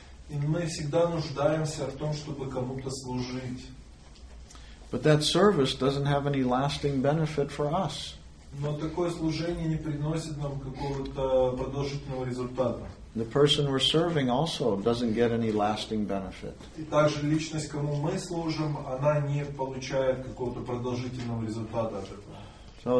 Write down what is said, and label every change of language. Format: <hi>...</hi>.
<ru>И мы всегда нуждаемся в том, чтобы кому-то служить.</ru> <en>But that service doesn't have any lasting benefit for us.</en> <ru>Но такое служение не приносит нам какого-то продолжительного результата.</ru> <en>The person we're serving also doesn't get any lasting benefit.</en> <ru>И также личность, кому мы служим, она не получает какого-то продолжительного результата от этого.</ru>